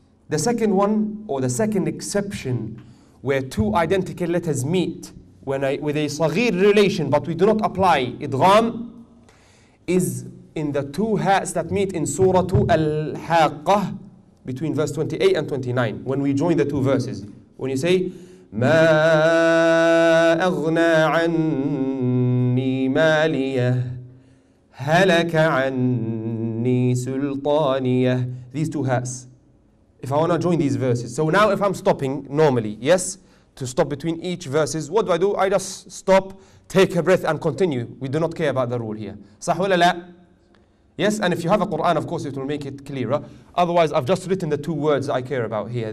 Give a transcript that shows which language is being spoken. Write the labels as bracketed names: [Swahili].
[English] The second one or the second exception, where two identical letters meet with a saghir relation, but we do not apply idgham, is in the two ha's that meet in Surah Al-Haqqah, between verse 28 and 29, when we join the two verses. When you say, [Arabic] مَا أَغْنَى عَنِّي مَالِيَهْ هَلَكَ عَنِّي سُلْطَانِيَهْ. [English] These two ha's. If I want to join these verses. So now if I'm stopping normally, yes, to stop between each verses, what do? I just stop, take a breath and continue. We do not care about the rule here. [Arabic] صح ولا لا? [English] Yes, and if you have a Quran, of course, it will make it clearer. Otherwise, I've just written the two words I care about here.